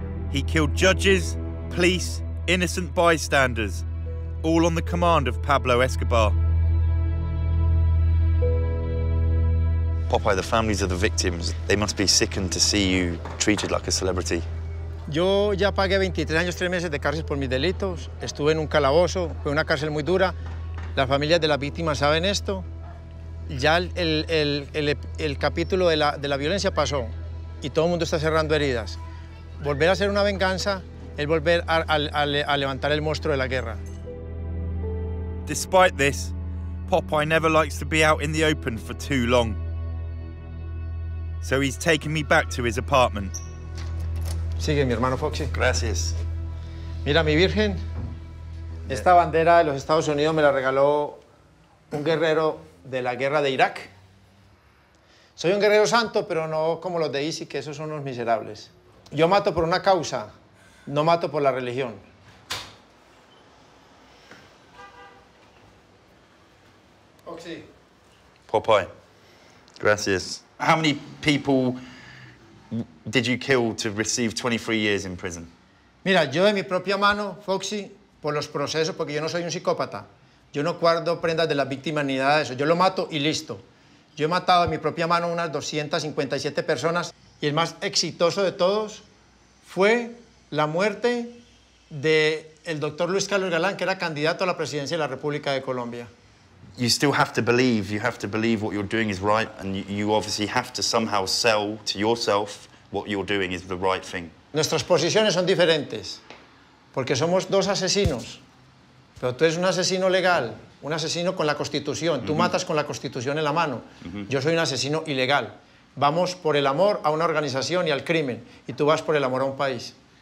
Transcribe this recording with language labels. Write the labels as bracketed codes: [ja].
[en] He killed judges, police, innocent bystanders, all on the command of Pablo Escobar. Popeye, the families of the victims, they must be sickened to see you treated like a celebrity. [es] Yo ya pagué 23 años, 3 meses de cárcel por mis delitos. Estuve en un calabozo, fue una cárcel muy dura. Las familias de las víctimas saben esto. Ya el capítulo de la violencia pasó y todo el mundo está cerrando heridas. Volver a hacer una venganza es volver a levantar el monstruo de la guerra. [en] Despite this, Popeye never likes to be out in the open for too long. So he's taken me back to his apartment. [es] Sigue, mi hermano Foxy. Gracias. Mira, mi virgen. Esta bandera de los Estados Unidos me la regaló un guerrero de la guerra de Irak. Soy un guerrero santo, pero no como los de ISIS, que esos son unos miserables. Yo mato por una causa, no mato por la religión. Foxy. Popeye. Gracias. [en] How many people did you kill to receive 23 years in prison? [es] Mira, yo de mi propia mano, Foxy, por los procesos, porque yo no soy un psicópata. Yo no guardo prendas de las víctimas ni nada de eso. Yo lo mato y listo. Yo he matado de mi propia mano unas 257 personas y el más exitoso de todos fue la muerte del doctor Luis Carlos Galán, que era candidato a la presidencia de la República de Colombia. [en] You still have to believe. You have to believe what you're doing is right, and you obviously have to somehow sell to yourself what you're doing is the right thing. [es] Nuestras posiciones son diferentes, porque somos dos asesinos. Pero tú eres un asesino legal, un asesino con la Constitución. Mm-hmm. Tú matas con la Constitución en la mano. Mm-hmm. Yo soy un asesino ilegal. Vamos por el amor a una organización y al crimen, y tú vas por el amor a un país.